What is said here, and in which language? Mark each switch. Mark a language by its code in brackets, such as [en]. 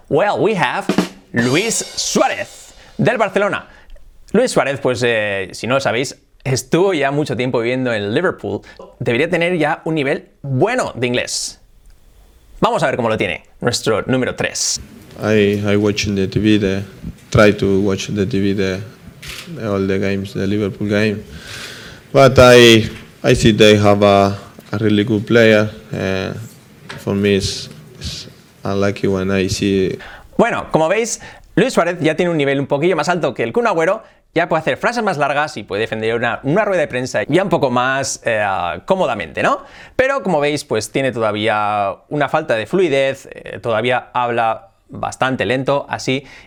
[en] Well, we have Luis Suárez, [es] del Barcelona. Luis Suárez, pues si no lo sabéis, estuvo ya mucho tiempo viviendo en Liverpool. Debería tener ya un nivel bueno de inglés. Vamos a ver cómo lo tiene nuestro número 3. [en] I watch in the TV the try to watch the TV the all the games, the Liverpool game. But I see they have a really good player. For me it's unlucky when I see. [es] Bueno, como veis, Luis Suárez ya tiene un nivel un poquillo más alto que el Kun Agüero. Ya puede hacer frases más largas y puede defender una rueda de prensa ya un poco más cómodamente, ¿no? Pero como veis, pues tiene todavía una falta de fluidez, todavía habla bastante lento, así,